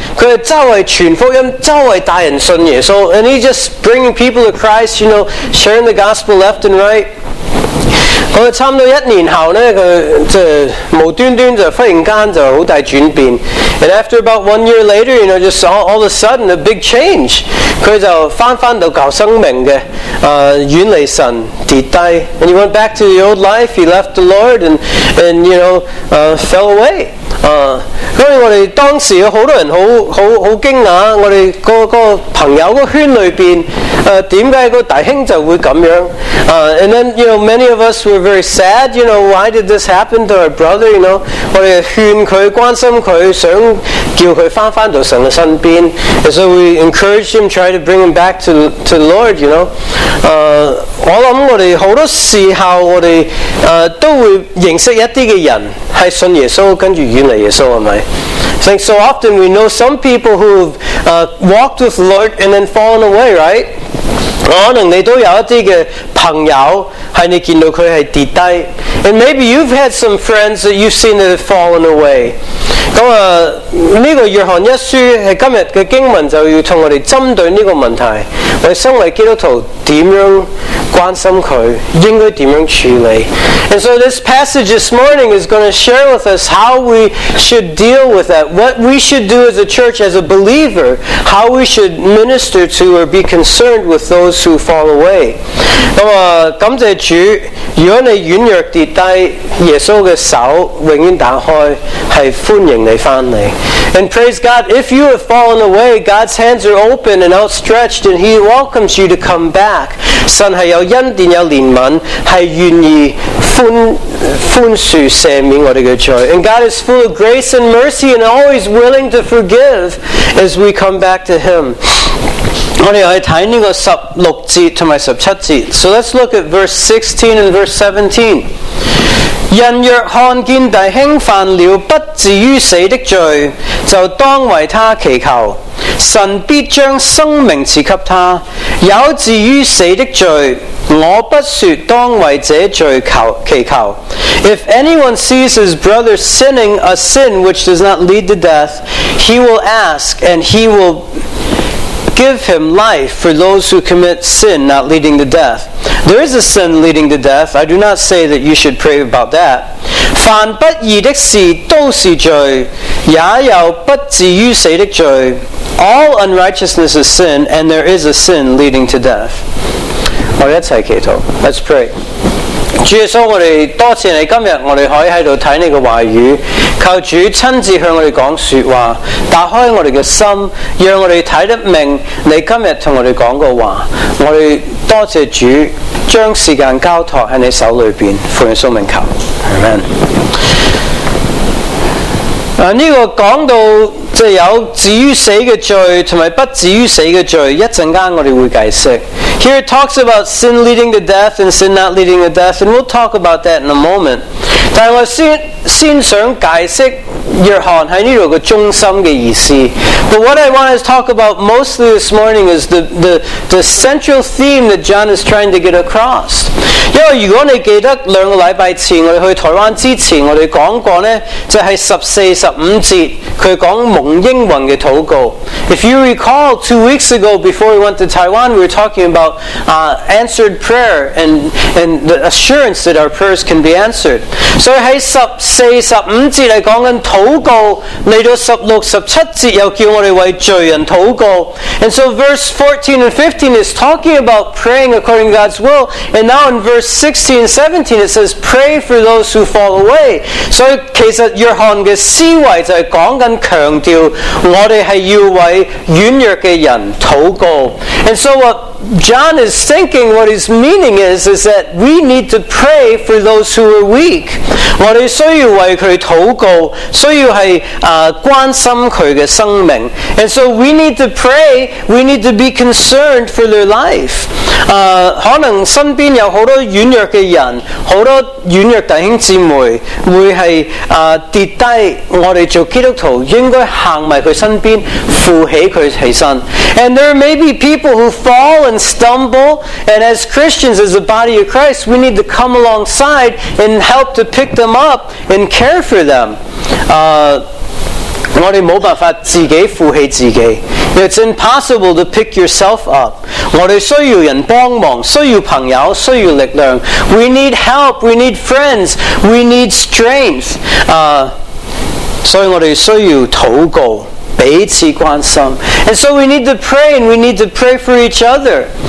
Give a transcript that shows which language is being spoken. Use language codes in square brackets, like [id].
[yue] 他周围传福音，周围带人信耶稣， [en] and he just bringing people to Christ, you know, sharing the gospel left and right. [yue] 我差不多一年后呢，他就无端端就忽然间就好大转变。 [en] And after about one year later, you know, just all of a sudden, a big change. [yue] 他就回到旧生命的远离神跌低。 [en] And he went back to the old life, he left the Lord and you know, fell away. [yue] 所以我们当时有很多人很惊讶，我们那个朋友的圈里面为什么大兄就会这样。 [en] And then, you know, many of us were very sad, you know, why did this happen to our brother, you know? [yue] 我们劝他，关心他，想叫他回到神的身边。 [en] And so we encouraged him, try to bring him back to the Lord, you know? [yue] 我想我们很多时候我们都会认识一些人是信耶稣跟着远离耶稣，是不是？ [en] I think so often we know some people who've walked with the Lord and then fallen away, right? [yue] 可能你都有一啲嘅朋友係你見到佢係跌低。 [en] And maybe you've had some friends that you've seen that have fallen away. [yue] 咁呢個約翰一書係今日嘅經文就要同我哋針對呢個問題。我哋身為基督徒點樣關心佢，應該點樣處理？ [en] And so this passage this morning is going to share with us how we should deal with that, what we should do as a church, as a believer, how we should minister to or be concerned with those who fall away. [yue] 感謝主，如果你軟弱跌低，耶穌的手永遠打開，是歡迎你回來。 [en] And praise God, if you have fallen away, God's hands are open and outstretched, and He welcomes you to come back. [yue] 神是有恩典有怜悯，是愿意宽恕赦免我们的罪。 [en] And God is full of grace and mercy and always willing to forgive as we come back to Him. [yue] 我哋去睇呢个十六节同埋十七节。 [en] So let's look at verse 16 and verse 17. [yue] 人若看见弟兄犯了不至于死的罪，就当为他祈求，神必将生命赐给他。有至于死的罪，我不说当为这罪祈求。 [en] If anyone sees his brother sinning a sin which does not lead to death, he will ask and he will give him life for those who commit sin not leading to death. There is a sin leading to death. I do not say that you should pray about that. [yue] 凡不义的事都是罪，也有不至于死的罪。 [en] All unrighteousness is sin, and there is a sin leading to death. [yue] 我们一起祈祷。 [en] Let's pray. [yue] 主耶稣，我哋多谢你今日我哋可以喺度睇你嘅话语，求主亲自向我哋讲说话，打开我哋嘅心，让我哋睇得明你今日同我哋讲嘅话。我哋多谢主，将时间交托喺你手里边，奉耶稣名求， Amen。这个讲到即有至于死的罪和不至于死的罪，一阵间我们会解释。 [en] Here it talks about sin leading to death and sin not leading to death, and we'll talk about that in a moment. [yue] 但我 先想解释约翰在这里的中心的意思。 [en] But what I want to talk about mostly this morning is the central theme that John is trying to get across. [yue] 因为如果你记得两个礼拜前我们去台湾之前，我们讲过呢，就是十四、十五节，他讲蒙应允的祷告。 [en] If you recall, 2 weeks ago, before we went to Taiwan, we were talking about answered prayer and the assurance that our prayers can be answered. [yue] 所以在十四、十五节来讲的祷告，来到十六、十七节又叫我们为罪人祷告。 [en] And so verse 14 and 15 is talking about praying according to God's will. And now in verse 16 and 17, it says, pray for those who fall away. [yue] 所以其实约翰的思维就是讲紧强调我们是要为软弱的人祷告。 [en] And so what John is thinking, what his meaning is that we need to pray for those who are weak. [yue] 我们需要为他祷告，需要是关心他的生命。 [en] And so we need to pray, we need to be concerned for their life. [yue] 可能身边有很多软弱的人，很多软弱弟兄姊妹会是跌低，我们做基督徒应该行在他身边，扶起他起身。 [en] And there may be people who fall and stumble, and as Christians, as the body of Christ, we need to come alongside and help to pick them up and care for them. [yue] 我们没办法自己扶起自己。 [en] It's impossible to pick yourself up. [yue] 我们需要人帮忙，需要朋友，需要力量。 [en] We need help, we need friends, we need strength. [yue] 所以我们需要祷告，彼此关心。 [en] And so we need to pray, and we need to pray for each other.